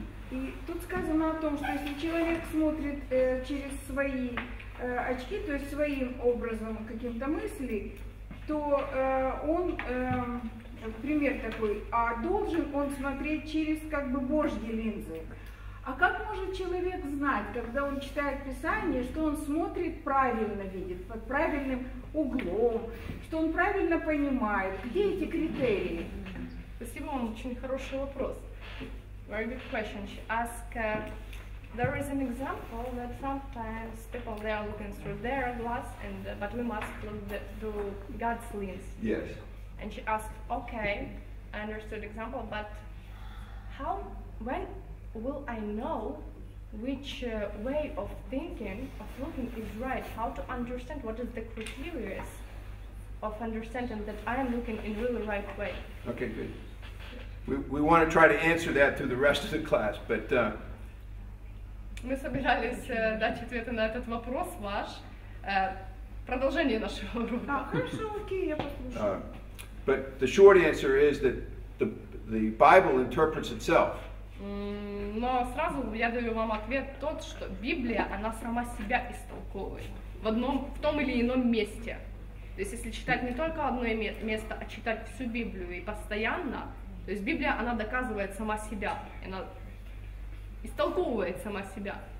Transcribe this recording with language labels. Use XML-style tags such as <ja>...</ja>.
<ru>И тут сказано о том, что если человек смотрит через свои очки, то есть своим образом каким-то мысли, то он, пример такой, а должен он смотреть через как бы Божьи линзы. А как может человек знать, когда он читает Писание, что он смотрит правильно, видит, под правильным углом, что он правильно понимает? Где эти критерии? Спасибо вам, очень хороший вопрос.</ru> <en>Very good question. She asked, there is an example that sometimes people, they are looking through their glass, and but we must look through God's lens. Yes. And she asked, okay, I understood the example, but how, when will I know which way of thinking, of looking is right? How to understand, what is the criteria of understanding that I am looking in really right way? Okay, good. We want to try to answer that through the rest of the class, but</en> <ru>мы собирались дать ответы на этот вопрос ваш, продолжение нашего урока. А, хорошо, окей, я послушаю.</ru> <en>But the short answer is that the Bible interprets itself.</en> <ru>Но сразу я даю вам ответ тот, что Библия, она сама себя истолковывает в одном, в том или ином месте. То есть если читать не только одно место, а читать всю Библию и постоянно, то есть Библия, она доказывает сама себя, она истолковывает сама себя.</ru>